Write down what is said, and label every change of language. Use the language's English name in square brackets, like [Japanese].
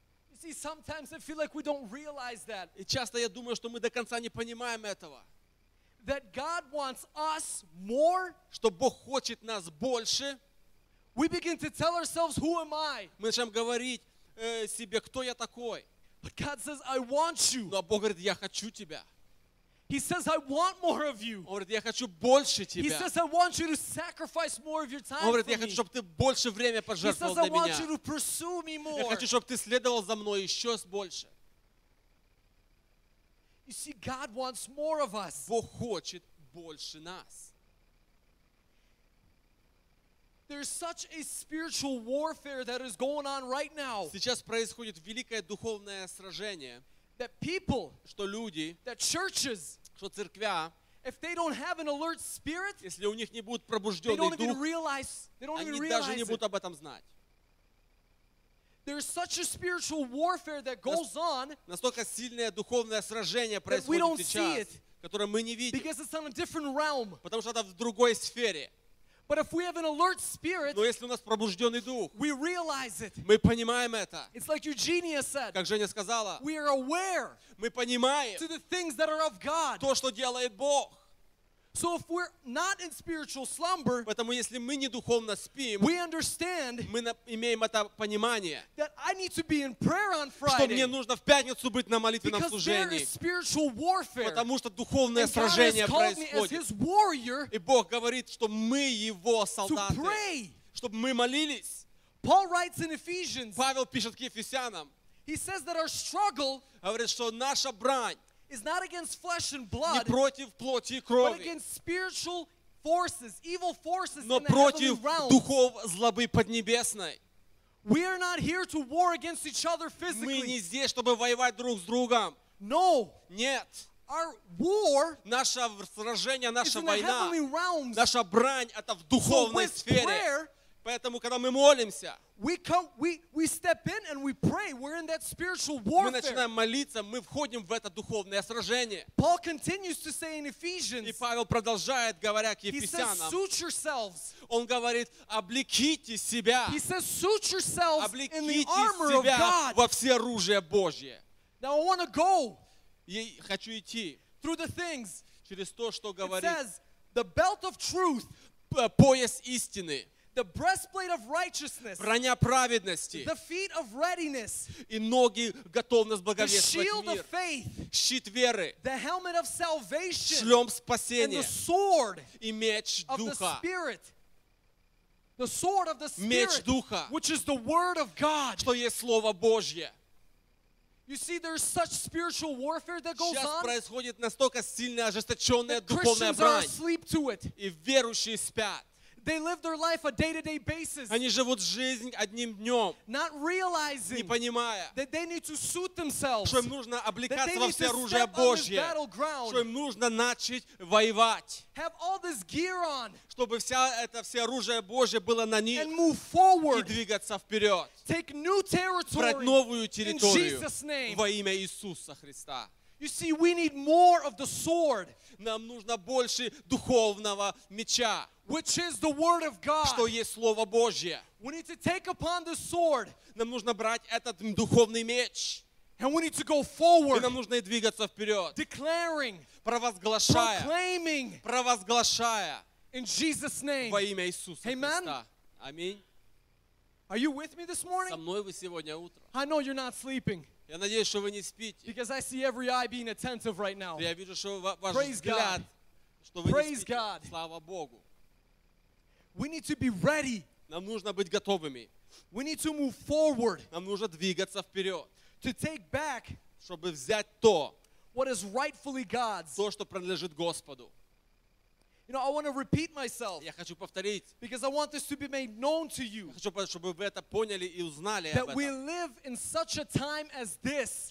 [English] You see, sometimes I feel like we don't realize that. [Russian] И часто я думаю, что мы до конца не понимаем этого. [English] That God wants us more. [Russian] Что Бог хочет нас больше. [English] We begin to tell ourselves, "Who am I?" [Russian] Мы начинаем говорить себе, кто я такой. [English] But God says, "I want you." [Russian] Но Бог говорит, я хочу тебя. [English] He says, "I want more of you." [Russian] Он говорит, я хочу больше тебя. [English] He says, "I want you to sacrifice more of your time." [Russian] Он говорит, я [English] me. [Russian] Хочу, чтобы ты больше времени пожертвовал для меня. [English] He says, "I want you to pursue me more." [Russian] Я хочу, чтобы ты следовал за мной еще больше. [English] You see, God wants more of us. [Russian] Бог хочет больше нас. [English] There's such a spiritual warfare that is going on right now. [Russian] Сейчас происходит великое духовное сражение. [English] That people, [Russian] что люди, [English] that churches, [Russian] что церквя, [English] if they don't have an alert spirit, [Russian] если у них не будет пробужденный [English] they don't [Russian] дух, [English] even realize, they don't [Russian] они [English] even [Russian] даже [English] realize [Russian] не будут об этом знать. [English] There's such a spiritual warfare that goes on. [Russian] Настолько сильное духовное сражение происходит [English] that we don't [Russian] сейчас, [English] see it, [Russian] которое мы не видим, [English] because it's on a different realm. [Russian] Потому что это в другой сфере. [English] But if we have an alert spirit, [Russian] Но если у нас пробужденный дух, [English] we realize it. [Russian] Мы понимаем это. [English] It's like Eugenia said. [Russian] Как Женя сказала. [English] We are aware. [Russian] Мы понимаем. [English] To the things that are of God. [Russian] То, что делает Бог. [English] So if we're not in spiritual slumber, [Russian] поэтому если мы не духовно спим, [English] we understand. [Russian] Мы имеем это понимание. [English] That I need to be in prayer on Friday. [Russian] Что мне нужно в пятницу быть на молитвенном служении. [English] Because there is spiritual warfare. [Russian] Потому что духовное сражение происходит. [English] As His warrior. [Russian] И Бог говорит, что мы Его солдаты. [English] To pray. [Russian] Чтобы мы молились. [English] Paul writes in Ephesians. [Russian] Павел пишет к Ефесянам. [English] He says that our struggle. [Russian] Говорит, что наша брань. [English] Is not against flesh and blood, [Russian] не против плоти и крови, [English] but against spiritual forces, evil forces [Russian] но [English] in the против heavenly realms. [Russian] Духов злобы поднебесной. [English] We are not here to war against each other physically. [Russian] Мы не здесь, чтобы воевать друг с другом. [English] No. [Russian] Нет. [English] Our war, [Russian] наше сражение, наша война, [English] is in the heavenly realms. [Russian] Наша брань это в духовной сфере. Поэтому, когда мы молимся, [English] we step in and we pray. We're in that spiritual warfare. [Russian] Мы начинаем молиться, мы входим в это духовное сражение. [English] Paul continues to say in Ephesians. [Russian] И Павел продолжает говоря к Ефесянам. [English] He says, "Suit yourselves." [Russian] Он говорит, облеките себя. [English] He says, "Suit yourselves [Russian] облеките [English] in the armor [Russian] себя [English] of God." [Russian] Во все оружие Божье. [English] Now I want to go. [Russian] Я хочу идти. [English] Through the things. [Russian] Через то, что говорит. [English] It says, "The belt of truth." [Russian] Пояс истины. [English] The breastplate of righteousness. [Russian] Броня праведности. [English] The feet of readiness. [Russian] И ноги готовность благовествовать [English] мир. The shield of faith. [Russian] Щит веры. [English] The helmet of salvation. [Russian] Шлем спасения. [English] And the sword. [Russian] И меч духа. [English] Of the spirit. The sword of the spirit. [Russian] Меч духа. [English] Which is the word of God. [Russian] Что есть слово Божье. [English] You see, there's such spiritual warfare that goes on. [Russian] Сейчас происходит настолько сильная ожесточенная духовная брань. [English] Christians are asleep to it. [Russian] И верующие спят. [English] They live their life a day-to-day basis. [Russian] Они живут жизнь одним днем. [English] Not realizing. [Russian] Не понимая. [English] That they need to suit themselves. [Russian] Что им нужно облекаться во все оружие Божье. Что им нужно начать воевать. [English] Have all this gear on. [Russian] Чтобы вся это все оружие Божье было на них. [English] And move forward. [Russian] И двигаться вперед. [English] Take new territory. [Russian] Брать новую территорию. [English] In Jesus' name. [Russian] Во имя Иисуса Христа. [English] You see, we need more of the sword. [Russian] Нам нужно больше духовного меча. [English] Which is the word of God. [Russian] Что есть слово Божье. [English] We need to take upon the sword. [Russian] Нам нужно брать этот духовный меч. [English] And we need to go forward. [Russian] И нам нужно двигаться вперед. [English] Declaring. [Russian] Провозглашая. [English] Proclaiming. [Russian] Провозглашая. [English] In Jesus' name. [Russian] Во имя Иисуса Христа. [English] Amen. Аминь. Are you with me this morning? [Russian] Со мной вы сегодня утро. [English] I know you're not sleeping. [Russian] Я надеюсь, что вы не спите. [English] Because I see every eye being attentive right now. [Russian] Я вижу, что ваш взгляд, что вы не спите. Слава Богу. [English] We need to be ready. [Russian] Нам нужно быть готовыми. [English] We need to move forward. [Russian] Нам нужно двигаться вперед. [English] To take back. [Russian] Чтобы взять то. [English] What is rightfully God's. [Russian] То, что принадлежит Господу. [English] You know, I want to repeat myself. [Russian] Я хочу повторить. [English] Because I want this to be made known to you. [Russian] Хочу, чтобы вы это поняли и узнали об [English] этом. That we live in such a time as this.